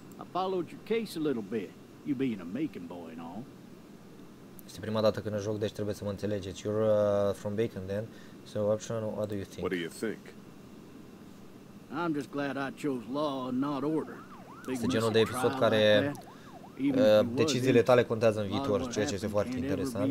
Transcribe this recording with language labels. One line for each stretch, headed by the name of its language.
English: Followed your case a little bit, you being a Macon boy and all.
Romanian: Este prima dată când joc, deci trebuie să mă înțelegeți.
English: You're from Macon then, so option, what do you think? What do you think? I'm just glad I chose law and not order.
Romanian: Este genul de episod care deciziile tale contează în viitor, ceea ce este foarte interesant.